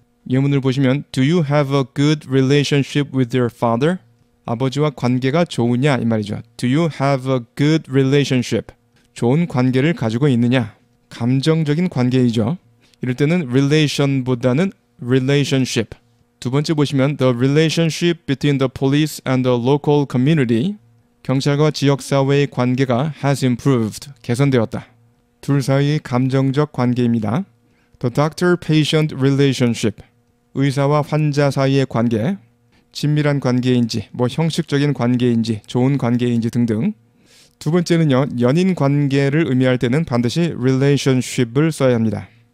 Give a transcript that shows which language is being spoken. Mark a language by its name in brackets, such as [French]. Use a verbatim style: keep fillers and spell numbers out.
[Korean] 예문을 보시면 [English] Do you have a good relationship with your father? [Korean] 아버지와 관계가 좋으냐 이 말이죠. [English] Do you have a good relationship? [Korean] 좋은 관계를 가지고 있느냐? 감정적인 관계이죠. 이럴 때는 relation보다는 relationship. 두 번째 보시면 [English] The relationship between the police and the local community. [Korean] 경찰과 지역사회의 관계가 [English] has improved, [Korean] 개선되었다. 둘 사이의 감정적 관계입니다. [English] The doctor-patient relationship. [Korean] 의사와 환자 사이의 관계. 친밀한 관계인지, 뭐 형식적인 관계인지, 좋은 관계인지 등등. 두 번째는요, 연인 관계를 의미할 때는 반드시 relationship을 써야 합니다.